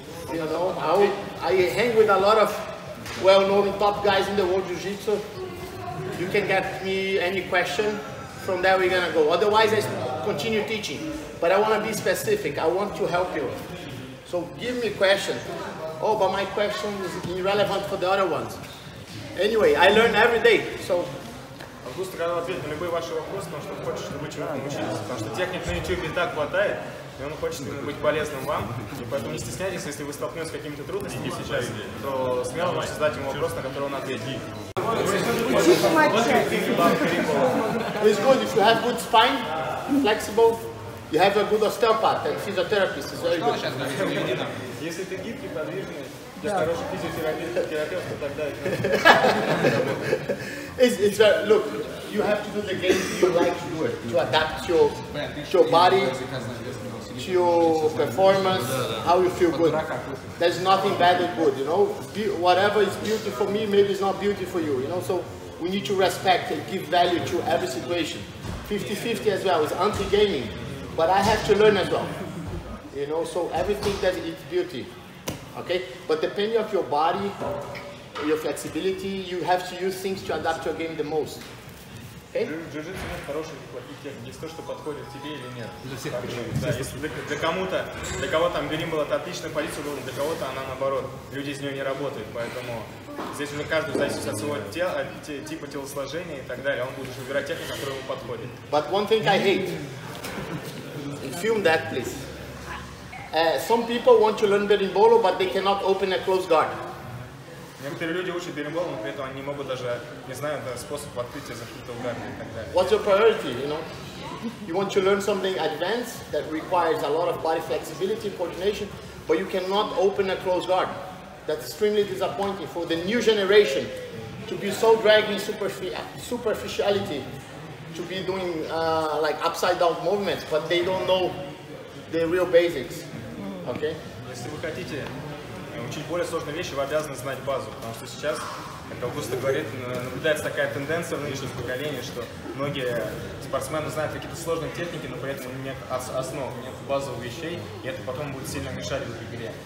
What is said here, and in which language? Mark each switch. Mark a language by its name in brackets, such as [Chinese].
[English] You know, I hang with a lot of well-known top guys in the world jiu-jitsu. You can get me any question, from there we're gonna go. Otherwise, I continue teaching. But I wanna be specific, I want to help you. So give me a question. Oh, but my question is irrelevant for the other ones. Anyway, I learn every day, so. [Russian] Густо готов ответить на любые ваши вопросы, потому что он хочет, чтобы вы чему-то научились. Потому что техник на YouTube не так хватает, и он хочет быть полезным вам. И поэтому не стесняйтесь, если вы столкнетесь с какими-то трудностями сейчас, то смело можете задать ему вопрос, на который он ответит. [English] What do you think about? It's good. If you have good spine, flexible, you have a good osteopath and physiotherapist. It's very good. [Russian] Если ты гибкий, подвижный, хороший физиотерапевт, тогда... [English] Look, you have to do the game you like to do it. To adapt your body, to your performance, how you feel good. There's nothing bad or good, you know? Whatever is beautiful for me, maybe it's not beautiful for you, you know? So we need to respect and give value to every situation. 50-50 as well, it's anti-gaming. But I have to learn as well. You know, so everything that is beauty. Okay, but depending on your body, your flexibility, you have to use things to adapt your game the most. Okay? [Russian] Джиу-джитсу нет хороших и плохих техник. Есть то, что подходит тебе или нет. Для кого там грим был, это отличная позиция, для кого-то она наоборот. Люди из нее не работают, поэтому здесь уже каждый зависит от своего тела, от типа телосложения и так далее. Он будет выбирать технику, которая ему подходит. [English] But one thing I hate. Film that, please. Some people want to learn berimbolo, but they cannot open a close guard. [Russian] Некоторые люди учат берimbolo, но при этом они не могут даже, не знаю, это способ открытия закрытого гарда и так далее. [English] What's your priority? You know, you want to learn something advanced that requires a lot of body flexibility, coordination, but you cannot open a close guard. That's extremely disappointing for the new generation to be so dragging superficiality, to be doing like upside down movements, but they don't know the real basics. Okay. [Russian] Если вы хотите учить более сложные вещи, вы обязаны знать базу, потому что сейчас, как Августа говорит, наблюдается такая тенденция в нынешнем поколении, что многие спортсмены знают какие-то сложные техники, но при этом у них нет основ, нет базовых вещей, и это потом будет сильно мешать в игре.